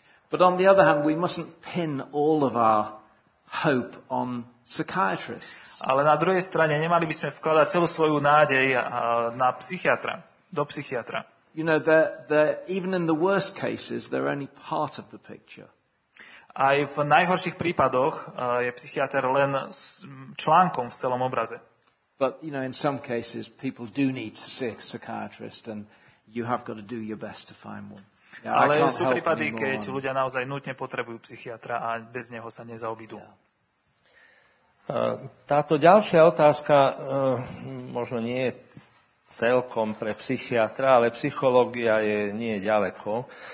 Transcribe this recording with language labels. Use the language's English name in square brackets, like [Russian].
[English] But on the other hand, we mustn't pin all of our hope on psychiatrists. [Slovak] Ale na druhej strane nemali by sme vkladať celú svoju nádej na psychiatra, do psychiatra. [English] You know that even in the worst cases they're only part of the picture. [Slovak] Aj v najhorších prípadoch je psychiater len článkom v celom obraze. [English] But in some cases people do need to see a psychiatrist and you have got to do your best to find one. [Slovak] Yeah, ale sú prípady, keď ľudia naozaj nutne potrebujú psychiatra a bez neho sa nezaobídu. Táto ďalšia otázka možno nie je celkom pre psychiatra, ale psychológia je nie ďaleko.